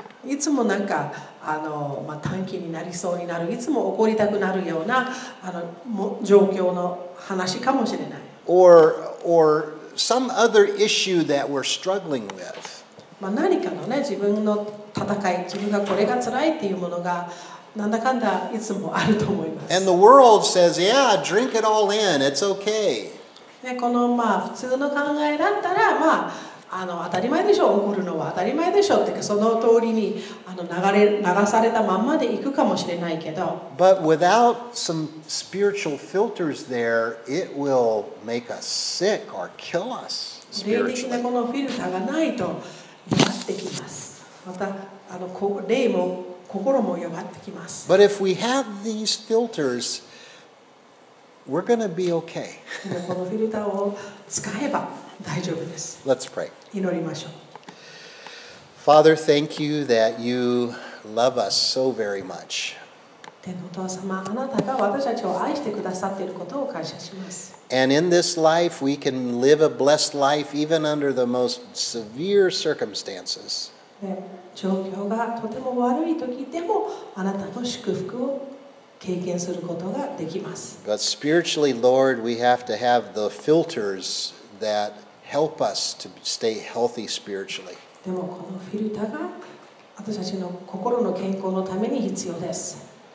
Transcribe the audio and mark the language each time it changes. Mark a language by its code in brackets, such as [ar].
[ja] いつもなんかあのまあ、短期になりそうになるいつも怒りたくなるようなあの状況の話かもしれない [en] or some other issue that we're struggling with、 [ja] まあ、何かのね自分の戦い自分がこれが辛いっていうものがなんだかんだいつもあると思います [en] and the world says yeah drink it all in it's okay、 [ja] ね、このまあ普通の考えだったらまああの当たり前でしょ怒るのは当たり前でしょってかその通りにあの流されたまんまでいくかもしれないけど [en] But without some spiritual filters there it will make us sick or kill us spiritually [ja] 霊的なこのフィルターがないと弱ってきますまたあの霊も心も弱ってきます [en] But if we have these filters we're going to be okay [ja] このフィルターを使えば大丈夫です [en] Let's pray. [ja] 祈りましょう [en] Father, thank you that you love us so very much. [ja] 天のお父様、あなたが私たちを愛してくださっていることを感謝します。 [en] And in this life, we can live a blessed life even under the most severe circumstances. [ja] 状況がとても悪い時でも、あなたの祝福を経験することができます。 [en] But spiritually, Lord, we have to have the filters that help us to stay healthy spiritually. [ja] でもこのフィルターが私たちの心の健康のために必要です。